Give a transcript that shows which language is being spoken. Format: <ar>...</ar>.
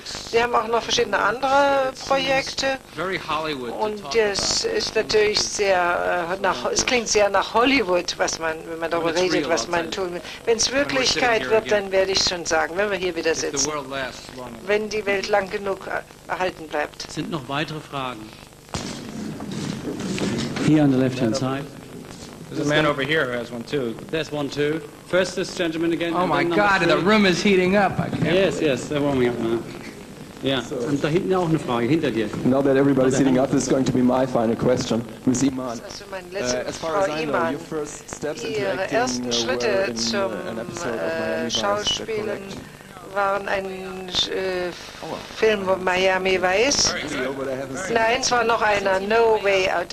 <de>Wir haben auch noch verschiedene andere Projekte und es ist natürlich sehr, es klingt sehr nach Hollywood, was man, wenn man darüber redet, was man tun will. Wenn es Wirklichkeit wird, dann werde ich schon sagen, wenn wir hier wieder sitzen, wenn die Welt lang genug erhalten bleibt. Sind noch weitere Fragen? Hier an der</de> <en>left-hand side. There's a man over here who has one too. There's one too. First this gentleman again. Oh my God, the room is heating up. I can't yes, they're warming up now. Yeah, and</en> <de>da hinten auch eine Frage, hinter dir.</de> <en>Now that everybody's sitting up, this is going to be my final question. Ms. Iman, as far as I know, your first steps into acting were in an episode of Miami Vice.</en> <de>Waren ein Film von Miami Vice. Nein, es war noch einer, No Way Out.</de>